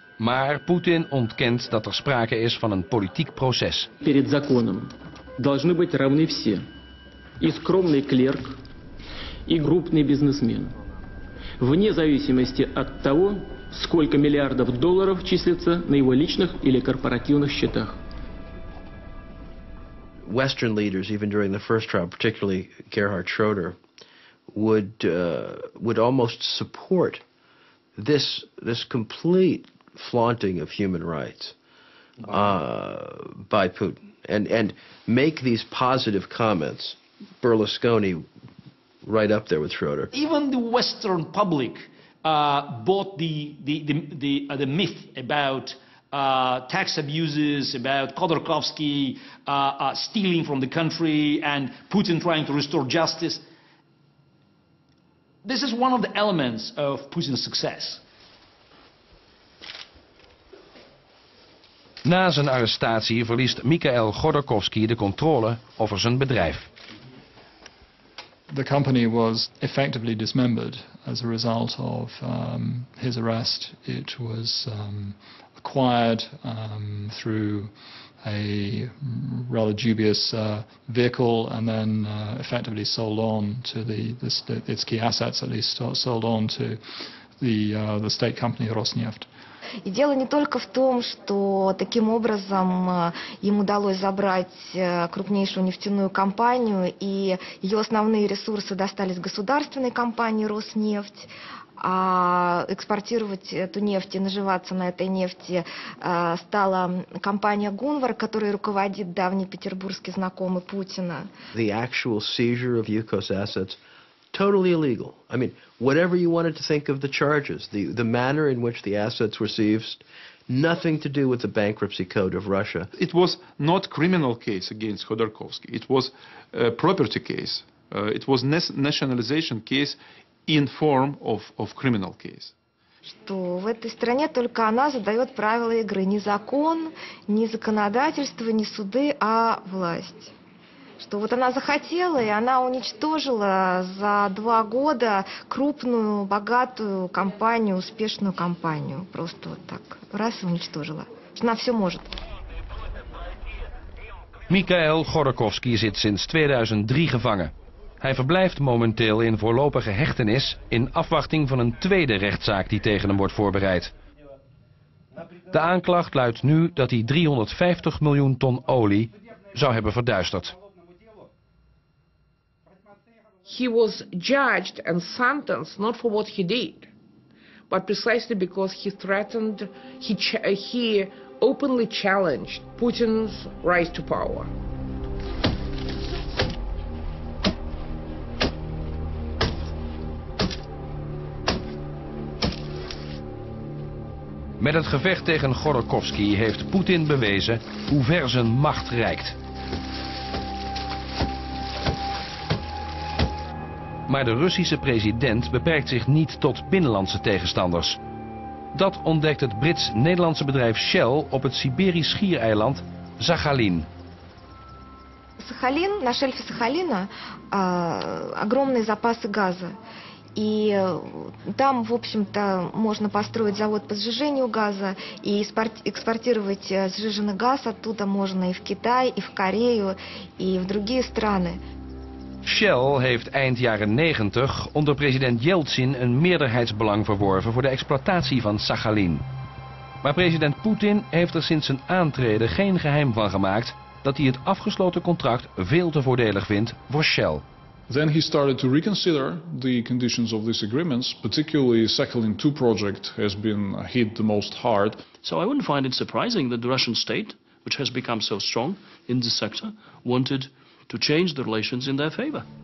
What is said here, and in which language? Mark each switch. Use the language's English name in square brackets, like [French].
[Dutch] Maar Putin ontkent dat er sprake is van een politiek proces. [Russian] Перед законом должны быть равны все, и скромный клерк, и крупный бизнесмен, вне зависимости от того, сколько миллиардов долларов числится на его личных или корпоративных счетах. [English] Western leaders, even during the first trial, particularly Gerhard Schroeder, would almost support this complete flaunting of human rights by Putin. and make these positive comments. Berlusconi, right up there with Schroeder. Even the Western public bought the myth about tax abuses, about Khodorkovsky stealing from the country, and Putin trying to restore justice. This is one of the elements of Putin's success. [Dutch] Na zijn arrestatie verliest Mikhail Khodorkovsky de controle over zijn bedrijf. [English] The company was effectively dismembered as a result of his arrest. It was acquired through a rather dubious vehicle and then effectively sold on to its key assets, at least sold on to the state company Rosneft. [Russian] И дело не только в том, что таким образом ему удалось забрать крупнейшую нефтяную компанию, и ее основные ресурсы достались государственной компании «Роснефть», а экспортировать эту нефть и наживаться на этой нефти стала компания «Гунвар», которой руководит давний петербургский знакомый Путина. [English] The actual seizure of Yukos assets. Totally illegal. I mean, whatever you wanted to think of the charges, the manner in which the assets were seized, nothing to do with the bankruptcy code of Russia. It was not criminal case against Khodorkovsky. It was a property case. It was nationalization case in form of criminal case. [Russian] Что в этой стране только она задает правила игры. Не закон, не законодательство, не суды, а власть. Что вот она захотела, и она уничтожила за два года крупную, богатую компанию, успешную компанию. Просто вот так. Раз и уничтожила. Она все может. [Dutch] Mikhail Khodorkovsky zit sinds 2003 gevangen. Hij verblijft momenteel in voorlopige hechtenis in afwachting van een tweede rechtszaak die tegen hem wordt voorbereid. De aanklacht luidt nu dat hij 350 miljoen ton olie zou hebben verduisterd. [English] He was judged and sentenced not for what he did, but precisely because he threatened, he openly challenged Putin's rise to power. [Dutch] Met het gevecht tegen Khodorkovsky heeft Poetin bewezen hoe ver zijn macht reikt. Maar de Russische president beperkt zich niet tot binnenlandse tegenstanders. Dat ontdekt het Brits-Nederlandse bedrijf Shell op het Siberisch schiereiland Sakhalin. [Russian] Сахалин, на шельфе Сахалина, огромные запасы газа. И там, в общем-то, можно построить завод по сжижению газа и экспортировать сжиженный газ оттуда можно и в Китай, и в Корею, и в другие страны. [Dutch] Shell heeft eind jaren 90 onder president Yeltsin een meerderheidsbelang verworven voor de exploitatie van Sakhalin. Maar president Poetin heeft er sinds zijn aantreden geen geheim van gemaakt dat hij het afgesloten contract veel te voordelig vindt voor Shell. [English] Then he started to reconsider the conditions of these agreements, particularly Sakhalin 2 project has been hit the most hard. So I wouldn't find it surprising that the Russian state, which has become so strong in this sector, wanted to change the relations in their favor.